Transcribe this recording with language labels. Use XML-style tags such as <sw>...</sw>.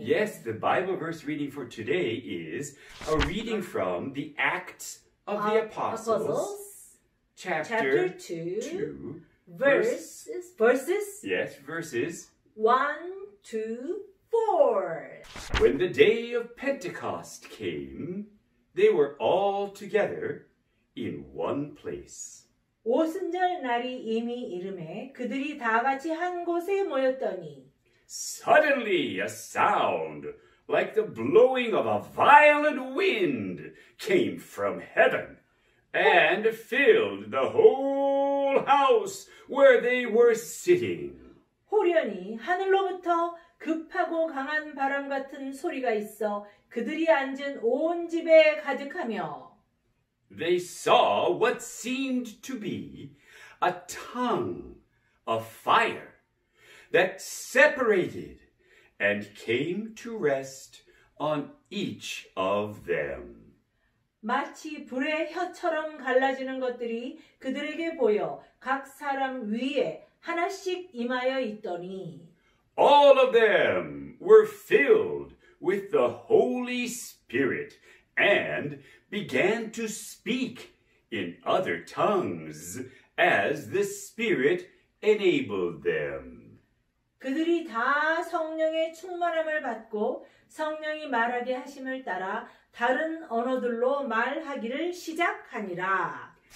<en>Yes, the Bible verse reading for today is a reading from the Acts of the Apostles chapter 2, verses 1 to 4. When the day of Pentecost came, they were all together in one place.</en> <ko>오순절 날이 이미 이르매 그들이 다 같이 한 곳에 모였더니</ko> <en>Suddenly a sound like the blowing of a violent wind came from heaven and filled the whole house where they were sitting.</en> <ko>홀연히 하늘로부터 급하고 강한 바람 같은 소리가 있어 그들이 앉은 온 집에 가득하며</ko> <en>They saw what seemed to be a tongue of fire that separated and came to rest on each of them.</en> <ko>마치 불의 혀처럼 갈라지는 것들이 그들에게 보여 각 사람 위에 하나씩 임하여 있더니</ko> <en>All of them were filled with the Holy Spirit and began to speak in other tongues as the Spirit enabled them.</en> <ko>그들이 다 성령의 충만함을 받고 성령이 말하게 하심을 따라 다른 언어들로 말하기를 시작하니라.</ko>